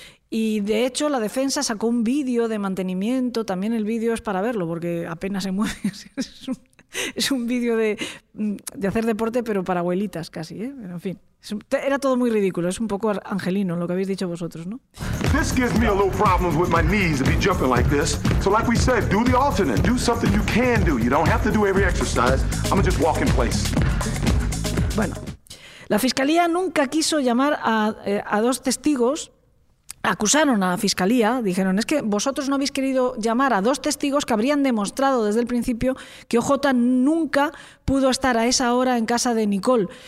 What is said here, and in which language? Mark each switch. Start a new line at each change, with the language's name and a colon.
Spanish: Y de hecho la defensa sacó un vídeo de mantenimiento, también el vídeo es para verlo porque apenas se mueve, es un vídeo de hacer deporte pero para abuelitas casi, ¿eh? Pero en fin, era todo muy ridículo, es un poco angelino lo que habéis dicho vosotros, ¿no?
English: This gives me a little problems with my knees to be jumping like this. So like we said, do the alternate, do something you can do. You don't have to do every exercise. I'm gonna just walk in place.
Spanish: Bueno, la fiscalía nunca quiso llamar a dos testigos. Acusaron a la fiscalía, dijeron, es que vosotros no habéis querido llamar a dos testigos que habrían demostrado desde el principio que OJ nunca pudo estar a esa hora en casa de Nicole.